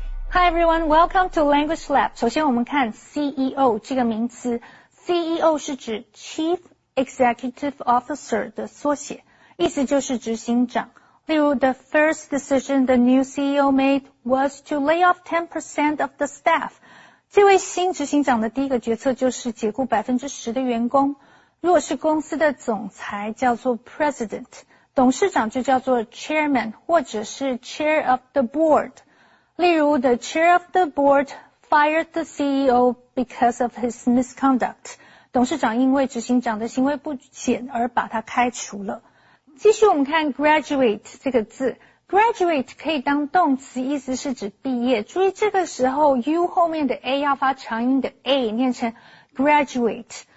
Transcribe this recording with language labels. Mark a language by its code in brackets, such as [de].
[en] Hi everyone, welcome to Language Lab. [zh] 首先我们看 CEO 这个名词 ,CEO 是指 Chief Executive Officer 的缩写，意思就是执行长。例如 [en] ,the first decision the new CEO made was to lay off 10% of the staff. [zh] 这位新执行长的第一个决策就是解雇 10% 的员工。如果是公司的总裁叫做 President, 董事长就叫做 Chairman, 或者是 Chair of the Board。例如 [en] ,the chair of the board fired the CEO because of his misconduct. [zh] 董事长因为执行长的行为不检而把他开除了。继续我们看 graduate 这个字。graduate 可以当动词，意思是指毕业。注意这个时候 ,U 后面的 A 要发长音的 A, 念成 graduate。